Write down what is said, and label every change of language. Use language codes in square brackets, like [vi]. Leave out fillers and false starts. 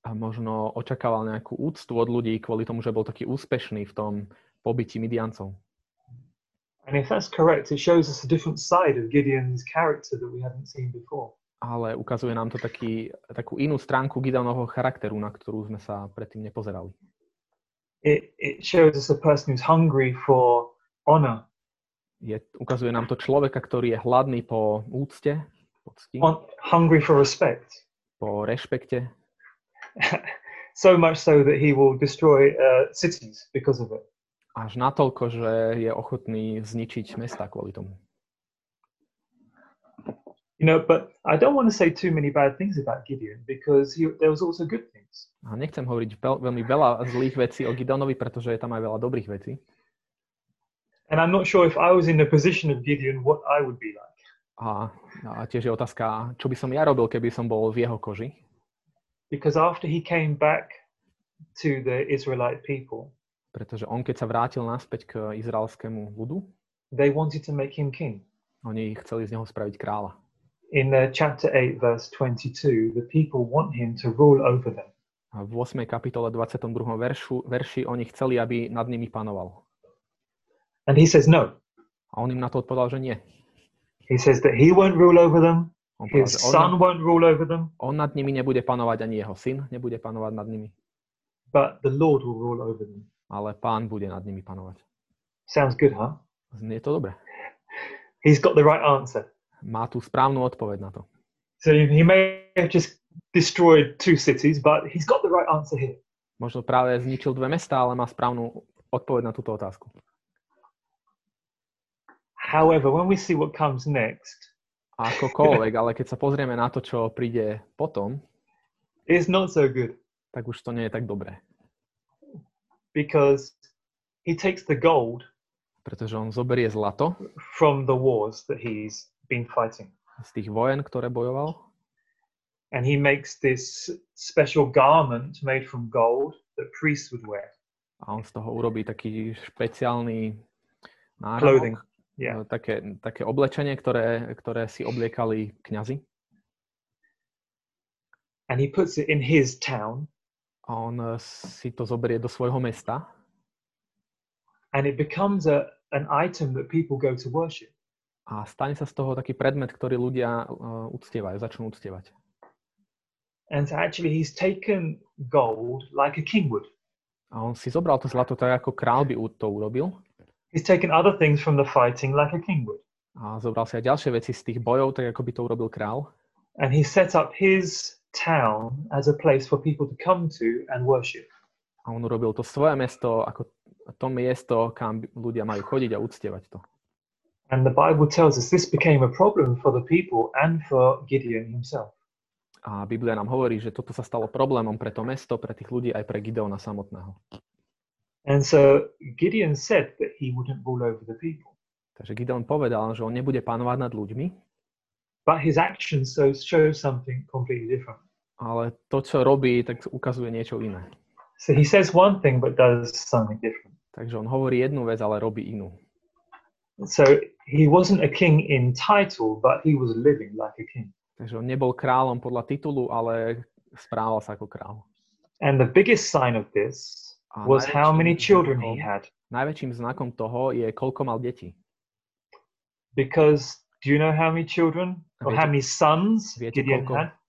[sk] A možno očakával nejakú úctu od ľudí kvôli tomu, že bol taký úspešný v tom pobití Midiancov. [en] And if that's correct, it shows us a different side of Gideon's character that we hadn't seen before. [sk] Ale ukazuje nám to takú inú stránku Gideonovho charakteru, na ktorú sme sa predtým nepozerali. [en] It shows us a person who's hungry for honor. [sk] Ukazuje nám to človeka, ktorý je hladný po úcte, po cti. [en] Hungry for respect. [sk] Po rešpekte. [en] So much so that he will destroy cities because of it. [sk] Až natoľko, že je ochotný zničiť mesta kvôli tomu. [en] You know, but I don't want to say too many bad things about Gideon because there was also good things. [sk] A nechcem hovoriť veľmi veľa zlých vecí o Gideonovi, pretože je tam aj veľa dobrých vecí. [en] And I'm not sure if I was in the position of Gideon, what I would be like. [sk] A tiež je otázka, čo by som ja robil, keby som bol v jeho koži? [en] Because after he came back to the Israelite people, [sk] pretože on, keď sa vrátil naspäť k izraelskému ľudu, [en] they wanted to make him king. [sk] Oni chceli z neho spraviť kráľa. [en] In chapter 8, verse 22, the people want him to rule over them. [sk] A v 8. kapitole 22. verši oni chceli, aby nad nimi panoval. [en] And he says no. [sk] A on im na to odpovedal, že nie. [en] He says that he won't rule over them. His son won't rule over them. [sk] On nad nimi nebude panovať, ani jeho syn nebude panovať nad nimi. [en] But the Lord will rule over them. [sk] Ale Pán bude nad nimi panovať. [en] Sounds good, huh? [sk] Znie to dobre. [en] He's got the right answer. [sk] Má tú správnu odpoveď na to. [en] So he may have just destroyed two cities, but he's got the right answer here. [sk] možno práve zničil dve mestá, ale má správnu odpoveď na túto otázku. [en] However, when we see what comes next, [sk] akokoľvek, ale keď sa pozrieme na to, čo príde potom, [en] it's not so good. [sk] Tak už to nie je tak dobré. [en] Because he takes the gold, [sk] pretože on zoberie zlato [en] from the wars that he's been fighting. [sk] Z tých vojen, ktoré bojoval. [en] And he makes this special garment made from gold that priests would wear. [sk] A on z toho urobí taký špeciálny náramok. [en] Clothing. Yeah. [sk] Také oblečenie, ktoré si obliekali kňazi. [en] And he puts it in his town. [sk] A on si to zoberie do svojho mesta. [en] And it becomes an item that people go to worship. [sk] A stane sa z toho taký predmet, ktorý ľudia uctievajú, začnú uctievať. [en] And so actually he's taken gold like a king would. [sk] A on si zobral to zlato tak, ako král by to urobil. [en] He's taken other things from the fighting like a king would. [sk] A zobral si aj ďalšie veci z tých bojov, tak ako by to urobil král. [en] And he set up his town as a place for people to come to and worship. [sk] A on urobil to svoje mesto ako to miesto, kam ľudia majú chodiť a uctievať to. [en] And the Bible tells us this became a problem for the people and for Gideon himself. [sk] A Biblia nám hovorí, že toto sa stalo problémom pre to mesto, pre tých ľudí aj pre Gideona samotného. [en] And so Gideon said that he wouldn't rule over the people. [sk] Takže Gideon povedal, že on nebude panovať nad ľuďmi. [en] But his actions so show something completely different. [sk] Ale to, čo robí, tak ukazuje niečo iné. [en] So he says one thing but does something different. [sk] Takže on hovorí jednu vec, ale robí inú. [en] So he wasn't a king in title, but he was living like a king. [sk] Takže on nebol kráľom podľa titulu, ale správal sa ako kráľ. [en] And the biggest sign of this was how many children he had. [sk] Najväčším znakom toho je, koľko mal detí. [en] Because do you know how many children or how many sons Gideon had?